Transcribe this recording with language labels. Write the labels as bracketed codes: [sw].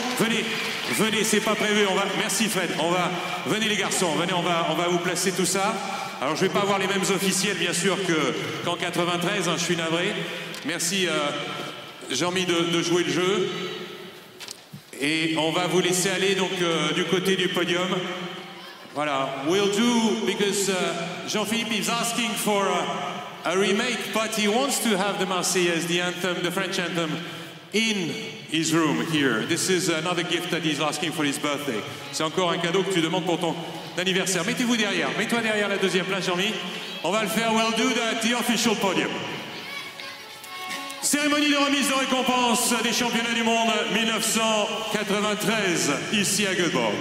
[fr] Venez, c'est pas prévu. Merci Fred. Venez les garçons, venez, on va vous placer tout ça. Alors je vais pas avoir les mêmes officiels bien sûr qu'en 93, hein, je suis navré. Merci Jean-Mi de jouer le jeu. Et on va vous laisser aller donc du côté du podium. [en] Voilà, we'll do, because Jean-Philippe is asking for a remake, but he wants to have the Marseillaise, the anthem, the French anthem, in his room here. This is another gift that he's asking for his birthday. [fr] C'est encore un cadeau que tu demandes pour ton anniversaire. Mettez-vous derrière, mets-toi derrière la deuxième place, Jean-Mi. On va le faire, [en] we'll do that, the official podium. [fr] Cérémonie de remise de récompense des championnats du monde 1993, ici à Göteborg.